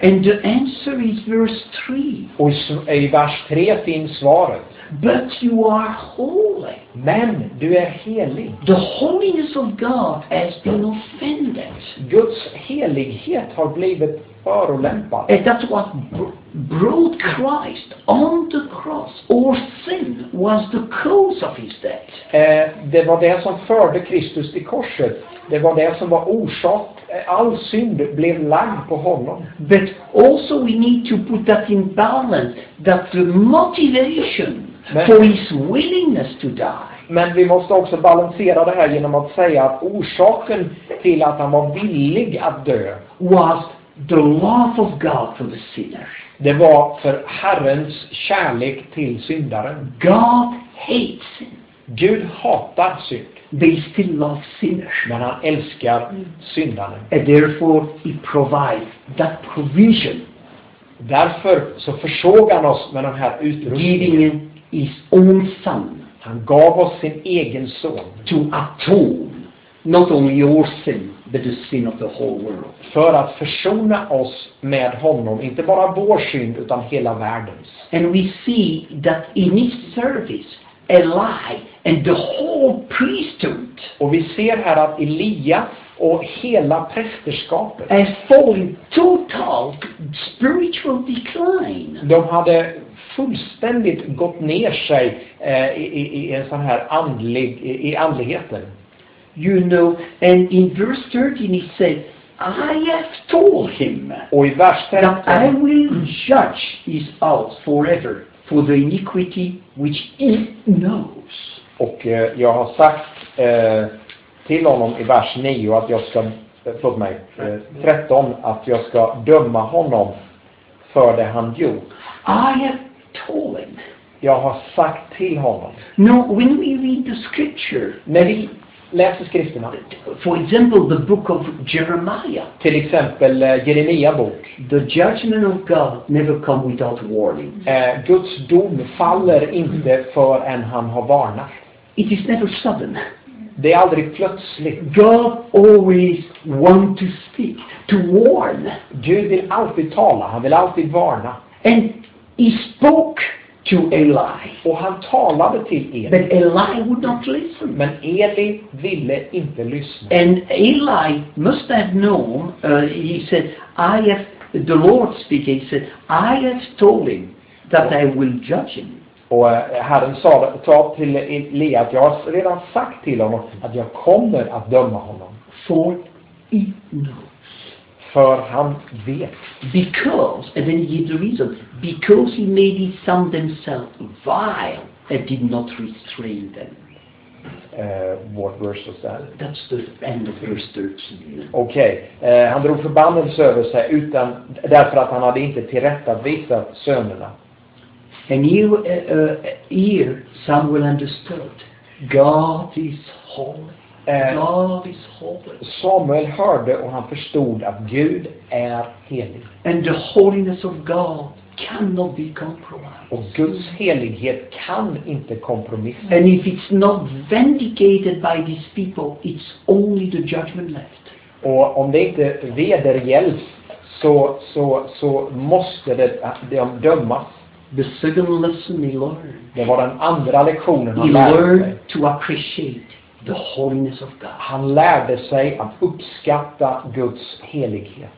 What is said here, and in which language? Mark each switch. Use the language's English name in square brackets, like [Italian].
[English] And the answer is verse 3. [Swedish] Och i vers 3 finns svaret. [English] But you are holy. [Swedish] Men du är helig. [English] The holiness of God has been offended. [Swedish] Guds helighet har blivit förolämpad. [English] And that's what brought Christ on the cross. Our sin was the cause of his death. [Swedish] Det var det som förde Kristus till korset. Det var det som var orsak. All synd blev lagd på honom. [English] But also we need to put that in balance, that the motivation for his willingness to die. [Swedish] Men vi måste också balansera det här genom att säga att orsaken till att han var villig att dö [English] was the love of God for the sinner. [Swedish] Det var för Herrens kärlek till syndaren. [English] God hates sin. [Swedish] Gud hatar synd. [English] They still love sinners. [Swedish] Men han älskar syndaren. [English] And therefore he provides that provision. [Swedish] Därför så försåg han oss med den här utrustningen. [English] His own son. [Swedish] Han gav oss sin egen son. [English] To atone, not only your sin, but the sin of the whole world. [Swedish] För att försona oss med honom, inte bara vår synd utan hela världens. [English] And we see that in his service, Eli and the whole priesthood. [Swedish] Och vi ser här att Elia och hela prästerskapet [English] has fallen total spiritual decline. [Swedish] De hade fullständigt gått ner sig i en sån här andlig i andligheten. [English] You know, and in verse 13 he said, I have told him. [Swedish] Och i vers 13, [English] that I will judge his house forever for the iniquity which he knows. [Swedish] Och jag har sagt till honom i vers 9 att jag ska, förlåt mig, 13, att jag ska döma honom för det han gjort. [English] I have told him. [Swedish] Jag har sagt till honom. [English] No, when we read the scripture, [Swedish] när vi läser skrifterna, [English] for example the book of Jeremiah, [Swedish] till exempel Jeremia bok, [English] the judgment of God never come without warning. [Swedish] Guds dom faller inte förrän han har varnat. [English] It is never sudden. [Swedish] Det är aldrig plötsligt. [English] God always want to speak, to warn. [Swedish] Gud vill alltid tala, han vill alltid varna. [English] And he spoke to Eli. [Swedish] Och han talade till Eli. [English] But Eli would not listen. [Swedish] Men Eli ville inte lyssna. [English] And Eli must have known, he said, I have, the Lord speaking, he said, I have told him that I will judge him. [Swedish] Och Herren sa till Eli att jag har redan sagt till honom att jag kommer att döma honom. [English] For he knows. [Swedish] För han vet. [English] Because, and then he gives the reason, because he made his son themselves vile and did not restrain them. What verse was that? That's the end of verse 13. Okay. [Swedish] Han drog förbannelse över sig utan, därför att han hade inte tillrättavisat sönerna. [English] And you, here, Samuel understood. God is holy. God is holy. [Swedish] Samuel hörde och han förstod att Gud är helig. [English] And the holiness of God cannot be compromised. [Swedish] Och Guds helighet kan inte kompromissas. [English] And if it's not vindicated by these people, it's only the judgment left. [Swedish] Och om det inte vedergälls, så måste det dömas. [English] The second lesson he learned. [Swedish] Det var den andra lektionen han [English] he [Swedish] lärde [English] learned [Swedish] sig. [English] To appreciate the holiness of God. [Swedish] Han lärde sig att uppskatta Guds helighet.